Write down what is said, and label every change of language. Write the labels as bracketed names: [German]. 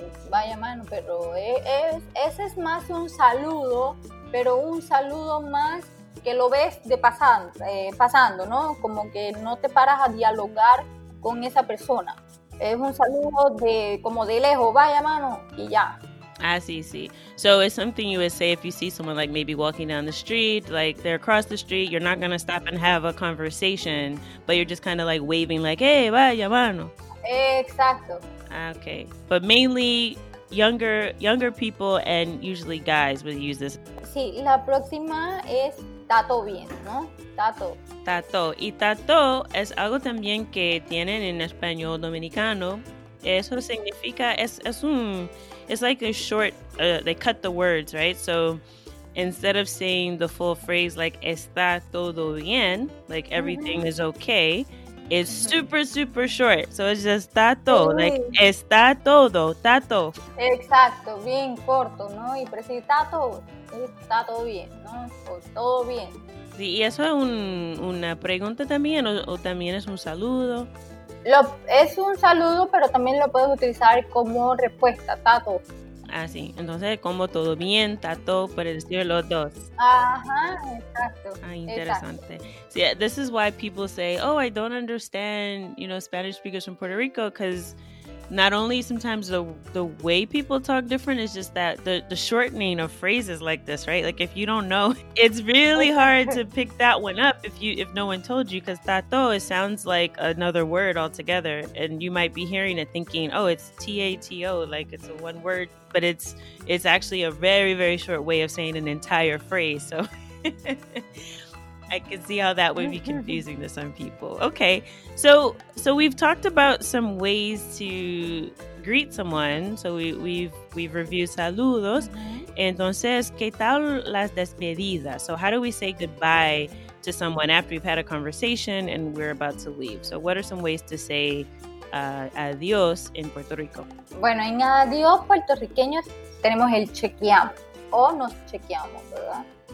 [Spanish] Vaya mano, pero ese es más un saludo, pero un saludo más que lo ves de pasando, ¿no? Como que no te paras a dialogar con esa persona. Es un saludo de como de lejos, vaya mano, y ya. Ah, sí. [English] So it's something you would say if you see someone like maybe walking down the street, like they're across the street, you're not going to stop and have a conversation, but you're just kind of like waving like, hey, [Spanish] vaya mano. Exacto. [English] Okay. But mainly younger people and usually guys would use this. [Spanish] Sí, la próxima es tato bien, ¿no? Tato. Tato. Y tato es algo también que tienen en español dominicano. Eso significa, [English] it's like a short, they cut the words, right? So instead of saying the full phrase like, [Spanish] está todo bien, [English] like everything is okay, it's super, super short. So it's just tato, sí. Like [Spanish] está todo, [English] tato. [Spanish] Exacto, bien corto, ¿no? Y precisa tato, está todo bien, ¿no? O todo bien. Sí, y eso es una pregunta también, o también es un saludo. Es un saludo, pero también lo puedes utilizar como respuesta, tato. Ah, sí. Entonces, como todo bien, tato, por decir los dos. Ajá, exacto. Ah, interesante. Exacto. [English] So, yeah, this is why people say, oh, I don't understand, you know, Spanish speakers from Puerto Rico, because not only sometimes the way people talk different, it's just that the shortening of phrases like this, right? Like, if you don't know, it's really hard to pick that one up if no one told you, because tato, it sounds like another word altogether, and you might be hearing it thinking, oh, it's T-A-T-O, like it's a one word, but it's actually a very, very short way of saying an entire phrase, so I can see how that would be confusing to some people. Okay, so we've talked about some ways to greet someone. So we've reviewed saludos. [Spanish] Entonces, ¿qué tal las despedidas? [English] So how do we say goodbye to someone after we've had a conversation and we're about to leave? So what are some ways to say adiós in Puerto Rico? [Spanish] Bueno, en adiós puertorriqueños tenemos el chequeamos o nos chequeamos, ¿verdad?